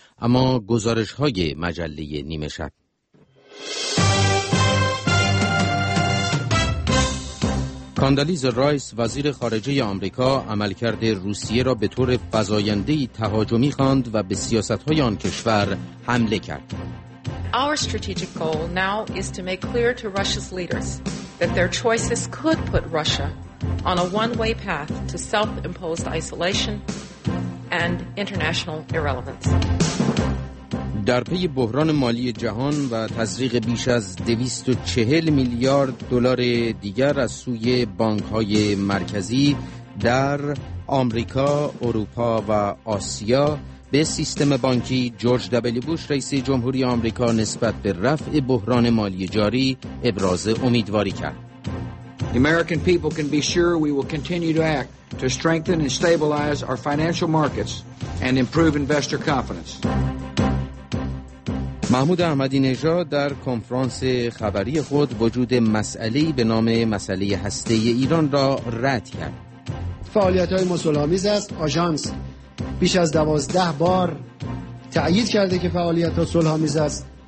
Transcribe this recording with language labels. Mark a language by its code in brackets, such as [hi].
[fa] اما گزارش های مجله نیمه شب. کاندالیز رایس، وزیر خارجه آمریکا، عملکرد روسیه را به طور فزاینده‌ای تهاجمی خواند و به سیاست های آن کشور حمله کرد. [en] Our strategic goal now is to make clear to Russia's leaders that their choices could put Russia on a one-way path to self-imposed isolation and international irrelevance. [fa] در پی بحران مالی جهان و تزریق بیش از 240 میلیارد دلار دیگر از سوی بانک‌های مرکزی در آمریکا، اروپا و آسیا به سیستم بانکی، جورج دبلیو بوش رئیس جمهوری آمریکا نسبت به رفع بحران مالی جاری ابراز امیدواری کرد. [en] The American people can be sure we will continue to act to strengthen and stabilize our financial markets and improve investor confidence. [fa] محمود احمدی نژاد در کنفرانس خبری خود وجود مسئله‌ای به نام مسئله هسته‌ای ایران را رد کرد. فعالیت‌های مسلح‌آمیز است. آژانس بیش از 12 بار تأیید کرده که فعالیت مسلح‌آمیز است.